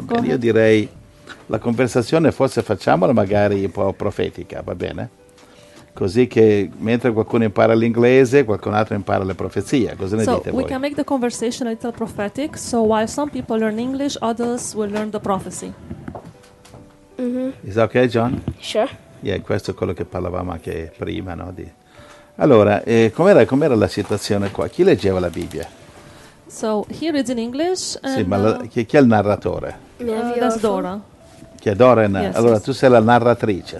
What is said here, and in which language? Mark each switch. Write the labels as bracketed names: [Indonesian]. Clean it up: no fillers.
[Italian] io direi, la conversazione forse facciamola magari un po' profetica, va bene? Così che mentre qualcuno impara l'inglese, qualcun altro impara le profezie. Cosa ne so dite voi? [English] So, we can make the conversation a little prophetic. So, while some people learn English, others will learn the prophecy. Is okay, John? Sure. [Italian] Yeah, questo è quello che parlavamo anche prima, no? Allora, com'era la situazione qua? Chi leggeva la Bibbia? [English] So, he reads in English. [Italian] Sì, ma chi è il narratore? [English] That's Dora. [Italian] Che è Dora? Yes, allora, yes. Tu sei la narratrice.